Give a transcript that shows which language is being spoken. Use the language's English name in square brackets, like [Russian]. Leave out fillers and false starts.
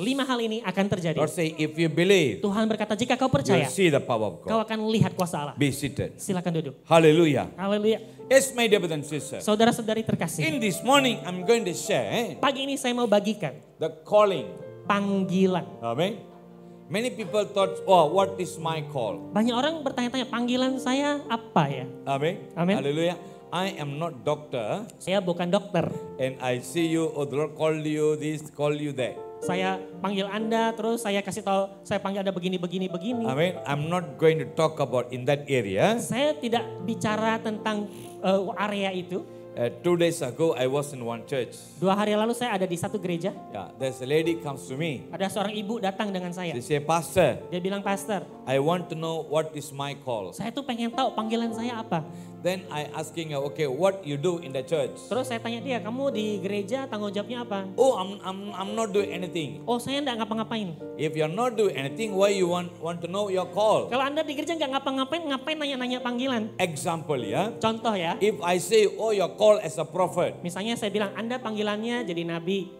[Indonesian] Lima hal ini akan terjadi. [English] Lord say, if you believe, [Indonesian] Tuhan berkata jika kau percaya, [English] see the power of God. [Indonesian] Kau akan lihat kuasa Allah. [English] Be seated. [Indonesian] Silakan duduk. Hallelujah. Hallelujah. [English] Yes, my dear brothers and sisters. [Indonesian] Saudara-saudari terkasih. [English] In this morning, I'm going to share. [Indonesian] Pagi ini saya mau bagikan. [English] The calling. [Indonesian] Panggilan. Amen. [English] Many people thought, oh, what is my call? [Indonesian] Banyak orang bertanya-tanya, panggilan saya apa ya? Amen. Amen. [English] Hallelujah. I am not doctor. [Indonesian] Saya bukan dokter. [English] And I see you, oh, the Lord called you this, called you that. [Indonesian] Saya panggil Anda, terus saya kasih tahu, saya panggil Anda begini, begini, begini. Amen. [English] I'm not going to talk about in that area. [Indonesian] Saya tidak bicara tentang area itu. [English] Two days ago, I was in one church. [Indonesian] Dua hari lalu saya ada di satu gereja. [English] Yeah, there's a lady comes to me. [Indonesian] Ada seorang ibu datang dengan saya. [English] She say, Pastor. [Indonesian] Dia bilang, Pastor. [English] I want to know what is my call. [Indonesian] Saya tuh pengen tahu panggilan saya apa. [English] Then I asking her, okay, what you do in the church? [Indonesian] Terus saya tanya dia, kamu di gereja tanggung jawabnya apa? [English] Oh, I'm not doing anything. [Indonesian] Oh, saya enggak ngapa-ngapain. [English] If you're not doing anything, why you want to know your call? [Indonesian] Kalau Anda di gereja enggak ngapa-ngapain, ngapain nanya-nanya panggilan? [English] Example, ya. Yeah? [Indonesian] Contoh, ya. [English] If I say, oh, your call as a prophet. [Indonesian] Misalnya saya bilang, Anda panggilannya jadi nabi.